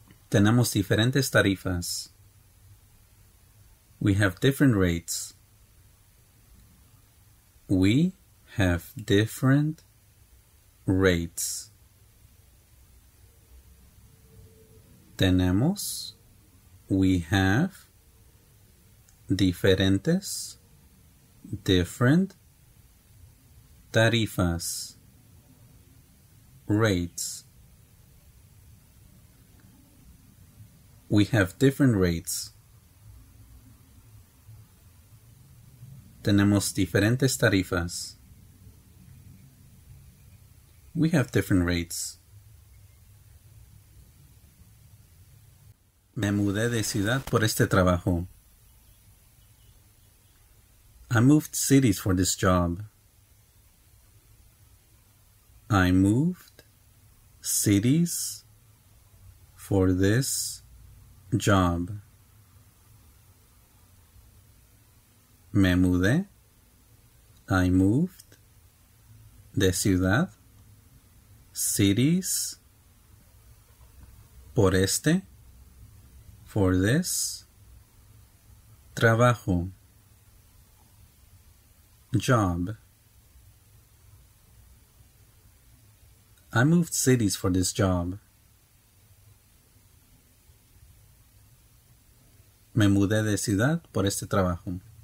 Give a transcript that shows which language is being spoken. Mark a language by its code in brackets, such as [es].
[es] Tenemos diferentes tarifas. [en] We have different rates. We have different rates. [es] Tenemos, [en] we have, [es] diferentes, [en] different, [es] tarifas, [en] rates. We have different rates. Tenemos diferentes tarifas. We have different rates. [es] Me mudé de ciudad por este trabajo. [en] I moved cities for this job. I moved cities for this job. [es] Me mudé. [en] I moved [es] de ciudad, [en] cities, [es] por este, [en] for this, [es] trabajo, [en] job. I moved cities for this job. [es] Me mudé de ciudad por este trabajo.